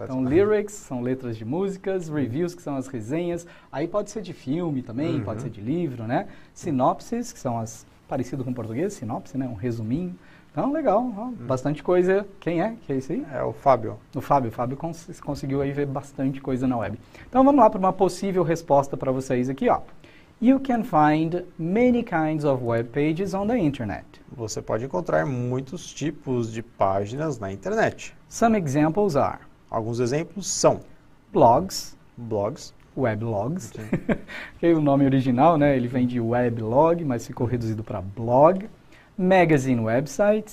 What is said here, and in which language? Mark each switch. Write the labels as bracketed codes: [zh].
[pt] Então lyrics são letras de músicas, reviews que são as resenhas, aí pode ser de filme também, uh-huh. pode ser de livro, né? Sinopses, que são as, parecido com português, sinopse, né? Um resuminho. Então, legal, bastante coisa. Quem é? Que é esse aí? É o Fábio. O Fábio. O Fábio conseguiu aí ver bastante coisa na web. Então, vamos lá para uma possível resposta para vocês aqui, ó. [en] You can find many kinds of web pages on the internet. [pt] Você pode encontrar muitos tipos de páginas na internet. [en] Some examples are... [pt] Alguns exemplos são... [en] Blogs. [pt] Blogs. Weblogs. Okay. O nome original, né? Ele vem de weblog, mas ficou reduzido para blog. [en] Magazine websites,